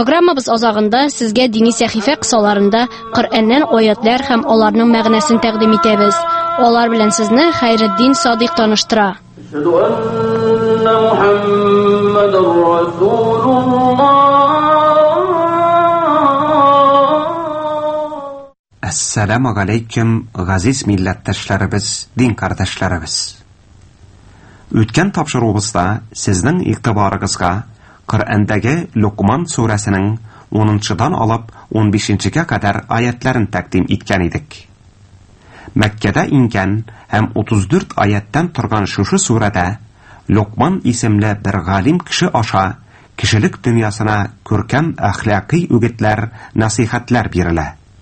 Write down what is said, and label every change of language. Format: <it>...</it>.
<tt>Программабыз азагында сезгә дини сәхифә кысаларында Коръәннән аятлар һәм аларның мәгънәсен тәкъдим итәбез. Алар белән сезне Хәйретдин Садик таныштыра.</tt> <ar>Ашхаду ан محمد رسول الله السلام عليكم</ar> <tt>عزيز милләттәшләребез дин кардәшләребез үткән тапшыруыбызда сезнең игътибарыгызга Коръәндәге Луқман сүрәсенең 10-дан алып 15-кә кадәр аятларын тәкъдим иткән идек Мәккәдә ингән һәм 34 аяттан торган шушы сүрәдә Лукман исемле бер галим кеше аша кешелек дөньясына күркәм әхлакый үгетләр, насихатлар бирелә.</tt>